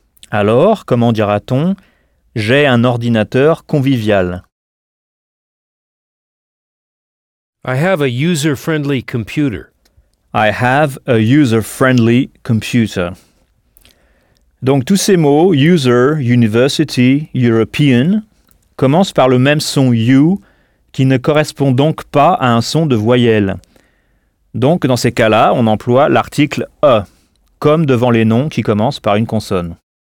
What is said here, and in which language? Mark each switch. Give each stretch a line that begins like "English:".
French: Alors, comment dira-t-on « j'ai un ordinateur convivial » ?
English: I have a user-friendly computer. I have a user-friendly computer.
French: Donc, tous ces mots « user »,« university »,« European » commencent par le même son « u » qui ne correspond donc pas à un son de voyelle. Donc, dans ces cas-là, on emploie l'article « e », comme devant les noms qui commencent par une consonne.